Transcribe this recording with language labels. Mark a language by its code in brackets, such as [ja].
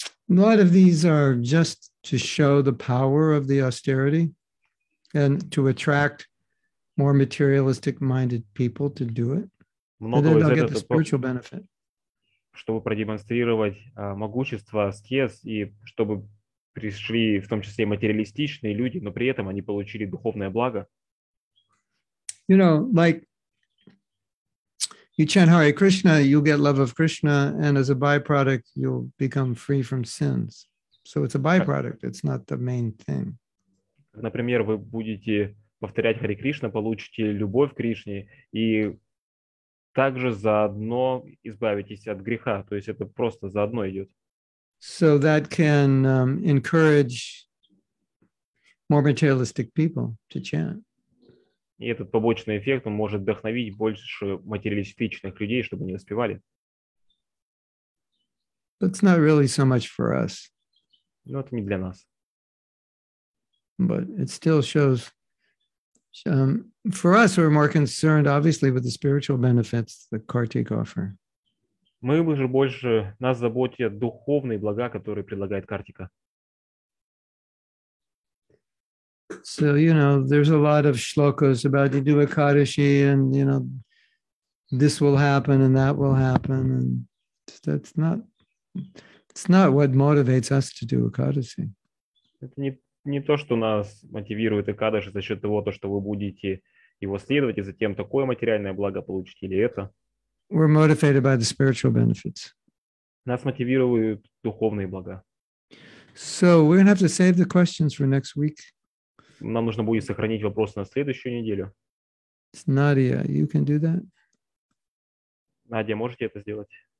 [en] A lot of these are just to show the power of the austerity and to attract more materialistic minded people to do it. Много and then they'll get the spiritual benefit. [ru] Чтобы продемонстрировать могущество аскез и чтобы пришли в том числе материалистичные люди, но при этом они получили духовное благо. [en] You know, like you chant Hare Krishna, you'll get love of Krishna, and as a byproduct, you'll become free from sins. So it's a byproduct, it's not the main thing. [ru] Например, вы будете повторять Хари Кришна, получите любовь к Кришне и также заодно избавитесь от греха. То есть это просто заодно идет. [en] So that can encourage more materialistic people to chant. [ru] И этот побочный эффект, он может вдохновить больше материалистичных людей, чтобы они воспевали. [en] But it's not really so much for us. [ru] Но это не для нас. [en] But it still shows. For us, we're more concerned, obviously, with the spiritual benefits that Kartik offer. [ru] Мы бы же больше нас заботят духовные блага, которые предлагает Картика. [en] So, you know, there's a lot of shlokas about you do a Kadashi and, you know, this will happen and that will happen. And that's not what motivates us to do a Kadashi. [ru] Не то, что нас мотивирует Экадаши за счет того, то, что вы будете его следовать, и затем такое материальное благо получите или это. [en] We're motivated by the spiritual benefits. [ru] Нас мотивируют духовные блага. [en] So we're gonna have to save the questions for next week. [ru] Нам нужно будет сохранить вопросы на следующую неделю. [en] It's Nadia, you can do that. [ru] Надя, можете это сделать?